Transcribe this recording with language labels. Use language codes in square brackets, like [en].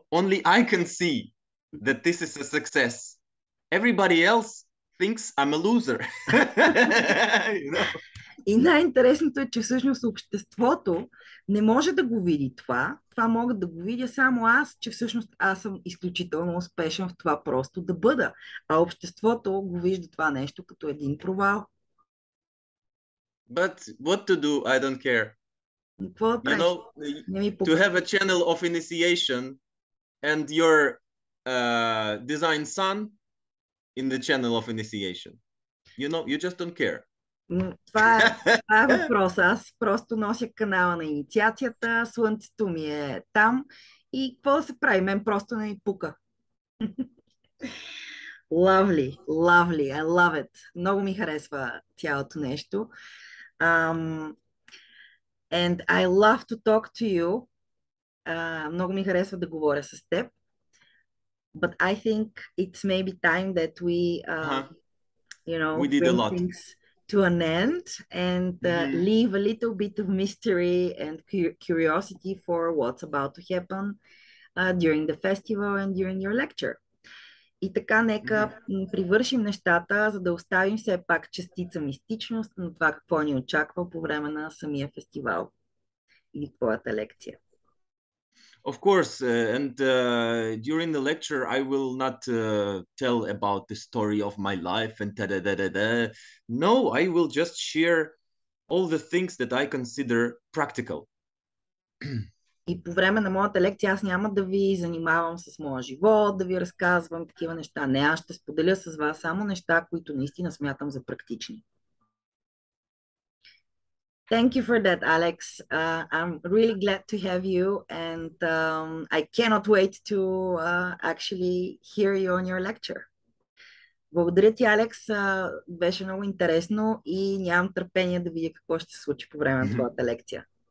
[en] Only I can see that this is a success. Everybody else thinks I'm a loser. You know? [bg] И най-интересното е, че всъщност обществото не може да го види това. Това мога да го видя само аз, че всъщност аз съм изключително успешен в това просто да бъда. А обществото го вижда това нещо като един провал. [en] But what to do? I don't care. [bg] Какво да правиш? [en] You know, to have a channel of initiation and your design son in the channel of initiation. You know, you just don't care. [bg] Това е въпрос. Аз просто нося канала на инициацията, слънцето ми е там и какво да се прави? Мен просто не ми пука. [en] Lovely, lovely, I love it. [bg] Много ми харесва цялото нещо. [en] And I love to talk to you. [bg] Много ми харесва да говоря с теб. [en] But I think it's maybe time that we, you know, we did bring a lot. Things to an end and leave a little bit of mystery and curiosity for what's about to happen during the festival and during your lecture. [bg] И така нека привършим нещата, за да оставим все пак частица мистичност на това какво ни очаква по време на самия фестивал или твоята лекция. [en] Of course, and during the lecture I will not tell about the story of my life and da-da-da-da-da. No, I will just share all the things that I consider practical. [bg] И по време на моята лекция аз няма да ви занимавам с моя живот, да ви разказвам такива неща. Не, аз ще споделя с вас само неща, които наистина смятам за практични. [en] Thank you for that, Alex. I'm really glad to have you and I cannot wait to actually hear you on your lecture. [bg] Благодаря ти, Alex. Беше много интересно и нямам търпение да видя какво ще се случи по време на твоята лекция.